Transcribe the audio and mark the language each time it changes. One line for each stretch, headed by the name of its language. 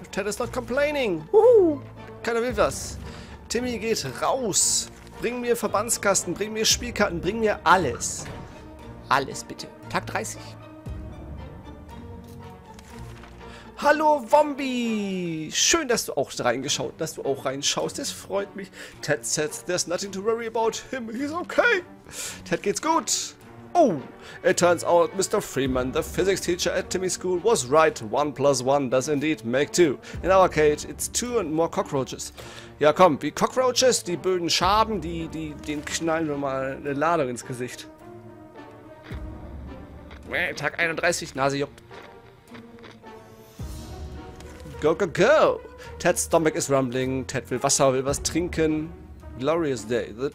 English: Ted is not complaining.
German: Woohoo. Keiner will was. Timmy geht raus. Bring mir Verbandskasten, bring mir Spielkarten, bring mir alles. Alles, bitte. Tag 30. Hallo, Wombi. Schön, dass du auch reingeschaut, dass du auch reinschaust. Das freut mich.
English: Ted says there's nothing to worry about him. He's okay.
German: Ted geht's gut.
English: Oh, it turns out Mr. Freeman, the physics teacher at Timmy's school, was right. 1 + 1 does indeed make 2. In our case, it's 2 and more cockroaches.
German: Ja, komm, die Cockroaches, die böden Schaben, den knallen wir mal eine Ladung ins Gesicht. Tag 31, Nase juckt.
English: Go, go, go! Ted's stomach is rumbling.
German: Ted will Wasser, will was trinken.
English: Glorious day.